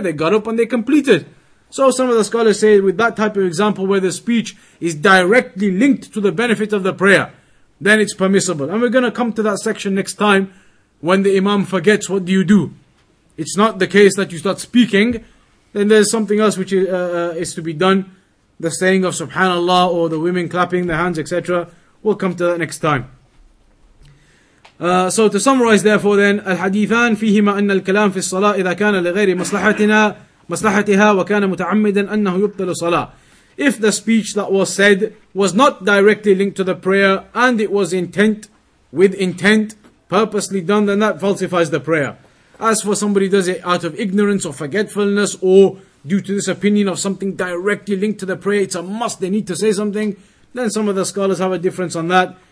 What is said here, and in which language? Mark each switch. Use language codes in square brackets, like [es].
[en] They got up and they completed. So some of the scholars say, with that type of example where the speech is directly linked to the benefit of the prayer, then it's permissible. And we're going to come to that section next time. When the imam forgets, what do you do? It's not the case that you start speaking. Then there's something else which is to be done. The saying of subhanallah, or the women clapping their hands, etc. We'll come to that next time. So to summarize, therefore, then [ar] الحديثان فيهما أن الكلام في الصلاة إذا كان لغير مصلحتنا مصلحتها وكان متعمدا أنه يبطل صلاة. [en] If the speech that was said was not directly linked to the prayer and it was intent, with intent, purposely done, then that falsifies the prayer. As for somebody does it out of ignorance or forgetfulness, or due to this opinion of something directly linked to the prayer, it's a must, they need to say something, then some of the scholars have a difference on that.